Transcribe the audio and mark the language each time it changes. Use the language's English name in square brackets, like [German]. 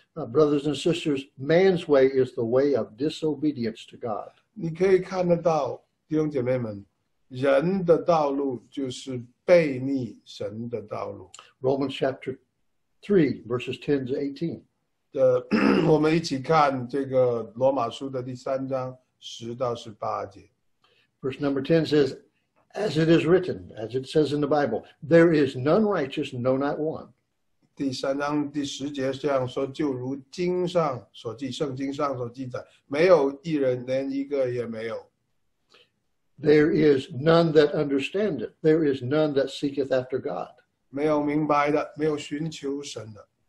[English] Brothers and sisters, man's way is the way of disobedience to God. [Chinese] 你可以看得到，弟兄姐妹们。人的道路就是背逆神的道路。Romans [English] chapter 3, verses 10 to [Chinese] 18. 我们一起看这个罗马书的第三章10到18节。 [English] Verse number 10 says, As it is written, as it says in the Bible, there is none righteous, no, not one. [Chinese] 第三章第十节这样说，就如经上所记，圣经上所记载，没有一人，连一个也没有。 [English] There is none that understandeth. There is none that seeketh after God. [Chinese] 没有明白的，没有寻求神的。